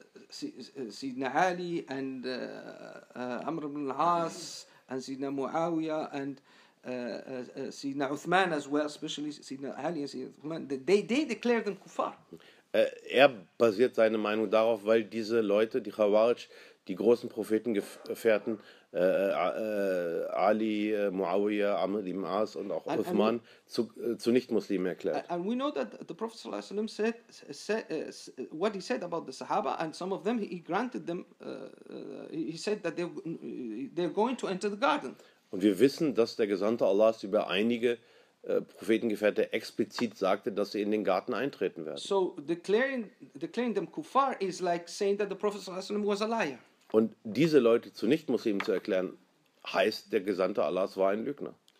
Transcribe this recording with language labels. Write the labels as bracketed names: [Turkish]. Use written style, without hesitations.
[English] Sidna Ali and Amr ibn al-As and Sidna Muawiyah and Sidna Uthman as well, especially Sidna Ali and Sidna Uthman, they declared them kuffar. [German] Er basiert seine Meinung darauf, weil diese Leute, die Khawarij, die großen Prophetengefährten, Ali, Muawiyah, Amr ibn al-As und auch Uthman, zu Nicht-Muslimen erklärt. [English] And we know that the Prophet ﷺ said what he said about the Sahaba and some of them, he granted them, he said that they're going to enter the garden. [German] Und wir wissen, dass der Gesandte Allahs über einige Prophetengefährte explizit sagte, dass sie in den Garten eintreten werden. [English] So declaring them kuffar is like saying that the Prophet ﷺ was a liar. [German] Und diese Leute zu Nicht-Muslimen zu erklären, heißt, der Gesandte Allahs war ein Lügner.